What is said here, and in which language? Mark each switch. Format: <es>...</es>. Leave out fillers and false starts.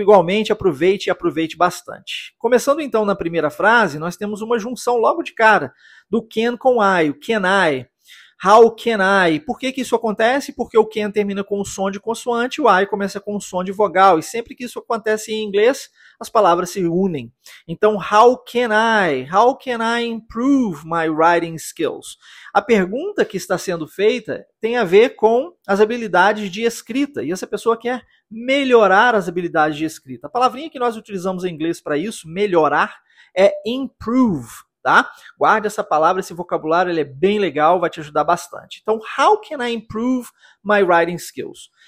<pt>Igualmente, aproveite e aproveite bastante. Começando então na primeira frase, nós temos uma junção logo de cara do can com I, o can I.</pt> <en>How can I?</en> <pt>Por que isso acontece? Porque o can termina com um som de consoante e o I começa com um som de vogal. E sempre que isso acontece em inglês, as palavras se unem. Então,</pt> <en>how can I? How can I improve my writing skills?</en> <pt>A pergunta que está sendo feita tem a ver com as habilidades de escrita. E essa pessoa quer melhorar as habilidades de escrita. A palavrinha que nós utilizamos em inglês para isso, melhorar, é improve. Tá? Guarde essa palavra, esse vocabulário, ele é bem legal, vai te ajudar bastante. Então,</pt> <en>how can I improve my writing skills?</en>